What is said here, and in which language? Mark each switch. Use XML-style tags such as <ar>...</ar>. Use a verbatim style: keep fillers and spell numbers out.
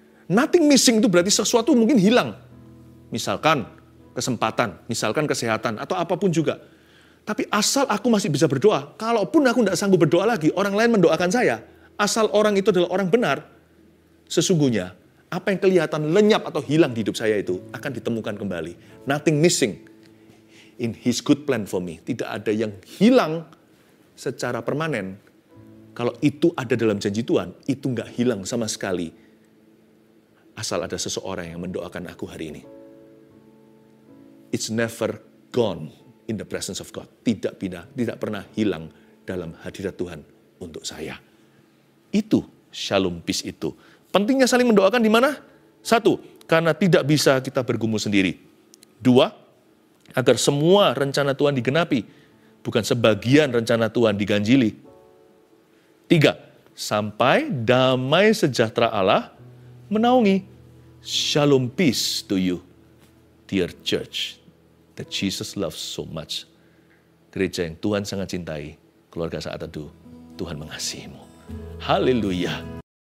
<en>Nothing missing</en> <id>itu berarti sesuatu mungkin hilang. Misalkan kesempatan, misalkan kesehatan, atau apapun juga. Tapi asal aku masih bisa berdoa, kalaupun aku tidak sanggup berdoa lagi, orang lain mendoakan saya. Asal orang itu adalah orang benar, sesungguhnya apa yang kelihatan lenyap atau hilang di hidup saya itu akan ditemukan kembali.</id> <en>Nothing missing in His good plan for me.</en> <id>Tidak ada yang hilang secara permanen. Kalau itu ada dalam janji Tuhan, itu enggak hilang sama sekali. Asal ada seseorang yang mendoakan aku hari ini.</id> <en>It's never gone in the presence of God.</en> <id>Tidak pernah, tidak pernah hilang dalam hadirat Tuhan untuk saya. Itu shalom peace itu. Pentingnya saling mendoakan di mana? Satu, karena tidak bisa kita bergumul sendiri. Dua, agar semua rencana Tuhan digenapi, bukan sebagian rencana Tuhan diganjili. Tiga, sampai damai sejahtera Allah menaungi.</id> <en>Shalom peace to you, dear church that Jesus loves so much.</en> <id>Gereja yang Tuhan sangat cintai, keluarga saat teduh, Tuhan mengasihimu. Haleluya.</id>